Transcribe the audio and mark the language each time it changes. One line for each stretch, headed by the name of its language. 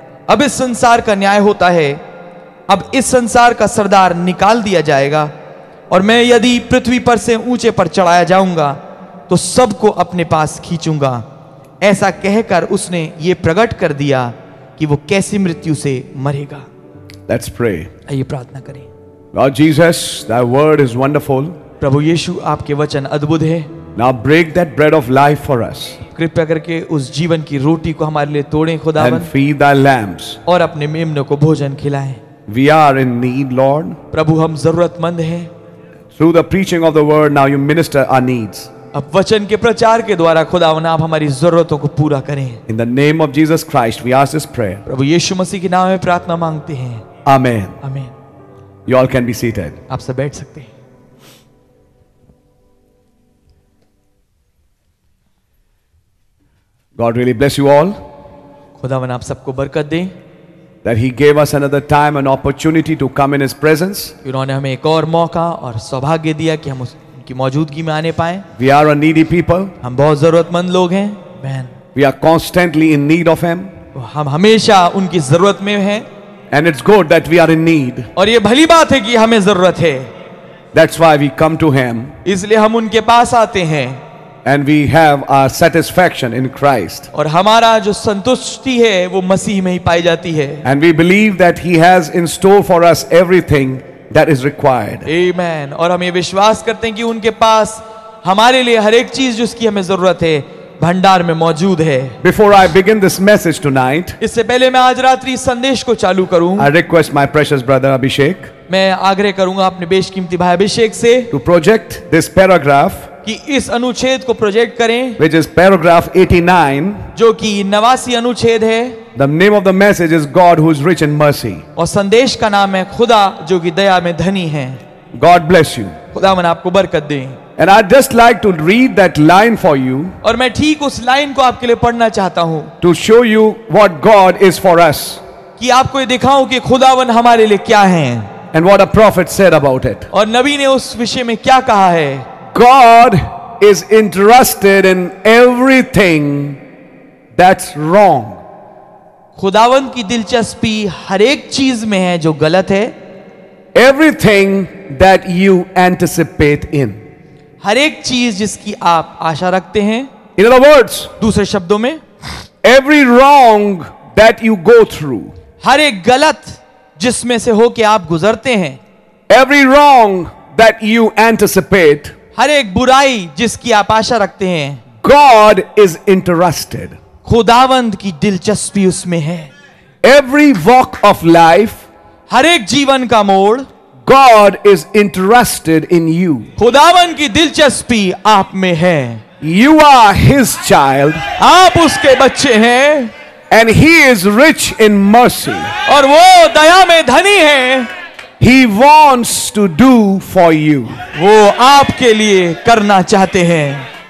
Hindi: अब इस संसार का न्याय होता है, अब इस संसार का सरदार निकाल दिया जाएगा और मैं यदि पृथ्वी पर से ऊंचे पर चढ़ाया जाऊंगा तो सबको अपने पास खींचूंगा। ऐसा कहकर उसने ये प्रकट कर दिया कि वो कैसी मृत्यु से मरेगा।
English: Let's pray.
Hindi: आइए प्रार्थना करें।
English: Lord Jesus, thy word is wonderful.
Hindi: प्रभु यीशु आपके वचन अद्भुत है।
English: Now break that bread of life for us.
Hindi: कृपया करके उस जीवन की रोटी को हमारे लिए तोड़ें खुदावन।
English: And feed thy lambs.
Hindi: और अपने मेमनों को भोजन खिलाएं।
English: We are in need, Lord.
Hindi: प्रभु हम जरूरतमंद हैं।
English: Through the preaching of the word, now you minister our needs.
Hindi: अब वचन के प्रचार के द्वारा खुदावन आप हमारी जरूरतों को पूरा करें।
English: In the name of Jesus Christ, we ask this prayer.
Hindi: प्रभु यीशु मसीह के नाम में प्रार्थना मांगते हैं।
English: Amen. Amen. You all can be seated.
Hindi: आप सब बैठ सकते हैं।
English: God really bless you all.
Hindi: खुदावन आप सबको बरकत दे।
English: That He gave us another time, an opportunity to come in His presence.
Hindi: उन्होंने हमें एक और मौका और सौभाग्य दिया कि हम उनकी मौजूदगी में आने पाएं।
English: We are a needy people.
Hindi: हम बहुत जरूरतमंद लोग हैं,
English: man. We are constantly in need of Him.
Hindi: हम हमेशा उनकी जरूरत में हैं।
English: And it's good that we are in need.
Hindi: और ये भली बात है कि हमें जरूरत है।
English: That's why we come to Him.
Hindi: इसलिए हम उनके पास आते हैं।
English: And we have our satisfaction in Christ.
Hindi: और हमारा जो संतुष्टि है वो मसीह में ही पाई जाती है।
English: And we believe that He has in store for us everything that is required. Amen.
Hindi: और हम ये विश्वास करते हैं कि उनके पास हमारे लिए हर एक चीज जिसकी हमें जरूरत है भंडार में मौजूद है।
English: Before I begin this message tonight,
Hindi: इससे पहले मैं आज रात्रि संदेश को चालू करूं,
English: I request my precious brother Abhishek,
Hindi: मैं आग्रह करूंगा अपने बेशकीमती भाई अभिषेक से,
English: to project this paragraph,
Hindi: कि इस अनुच्छेद को प्रोजेक्ट करें,
English: which is paragraph 89,
Hindi: जो कि 89 अनुच्छेद है।
English: The name of the message is God who is rich in mercy.
Hindi: और संदेश का नाम है खुदा जो कि दया में धनी है।
English: God bless you.
Hindi: खुदा मन आपको बरकत दे।
English: And I'd just like to read that line for you.
Hindi: और मैं ठीक उस लाइन को आपके लिए पढ़ना चाहता हूँ।
English: To show you what God is for us.
Hindi: कि आपको ये दिखाऊं कि खुदावन हमारे लिए क्या हैं।
English: And what a prophet said about it.
Hindi: और नबी ने उस विषय में क्या कहा है?
English: God is interested in everything that's wrong.
Hindi: खुदावन की दिलचस्पी हर एक चीज में है जो गलत है।
English: Everything that you anticipate in.
Hindi: हर एक चीज जिसकी आप आशा रखते हैं।
English: In other words,
Hindi: दूसरे शब्दों में,
English: every wrong that you go through,
Hindi: हर एक गलत जिसमें से हो के आप गुजरते हैं,
English: every wrong that you anticipate,
Hindi: हर एक बुराई जिसकी आप आशा रखते हैं,
English: God is interested,
Hindi: खुदावंद की दिलचस्पी उसमें है,
English: every walk of life,
Hindi: हर एक जीवन का मोड़,
English: God is interested in you.
Hindi: खुदावन की दिलचस्पी आप में है.
English: You are His child.
Hindi: आप उसके बच्चे हैं.
English: And He is rich in mercy.
Hindi: और वो दया में धनी है.
English: He wants to do for you.
Hindi: वो आपके लिए करना चाहते हैं.